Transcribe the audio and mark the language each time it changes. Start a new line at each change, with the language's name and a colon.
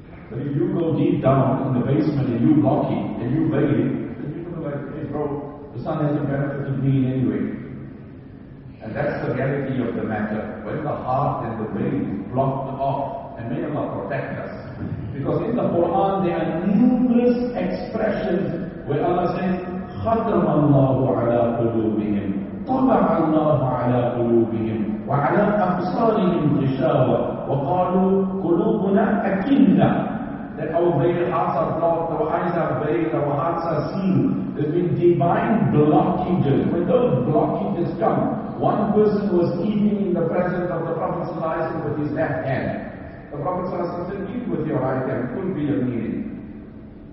English: But if you go deep down in the basement and you lock it and you veil it, then you're going to be like, hey bro, the sun hasn't benefited me in any way. And that's the reality of the matter. When the heart and the veil is blocked off, and may Allah protect us. Because in the Quran there are numerous expressions where Allah says,
Arabic: خَتَمَ اللَّهُ عَلَىٰ قُلُوبِهِمْ طَبَعَ اللَّهُ عَلَىٰ قُلُوبِهِمْ وَعَلَىٰ أَبْصَارِهِمْ غِشَاوَةٌ وَقَالُوا قُلُوبُنَا أَكِنَّةٌ.
English: That our veil, hearts are blocked, our eyes are veiled, our hearts are sealed. There's been divine blockages. When those blockages come, one person was eating in the presence of the Prophet with his left hand. The Prophet said, eat with your right hand, it could be a meaning.